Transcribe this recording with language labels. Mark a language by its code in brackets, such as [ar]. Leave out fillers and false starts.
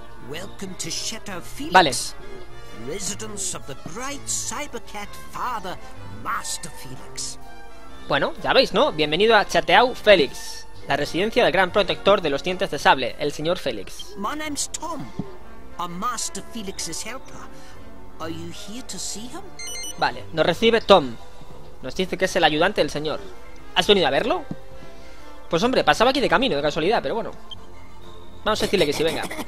[en] Welcome to Chateau Félix. [es] Vale. [en] Residence of the bright cybercat father, Master Félix. [es] Bueno, ya veis, ¿no? Bienvenido a Chateau Félix, la residencia del gran protector de los dientes de sable, el señor Félix. [en] My name's Tom. I'm Master Félix's helper. Are you here to see him? [es] Vale, nos recibe Tom. Nos dice que es el ayudante del señor. ¿Has venido a verlo? Pues hombre, pasaba aquí de camino, de casualidad, pero bueno. Vamos a decirle que sí, venga.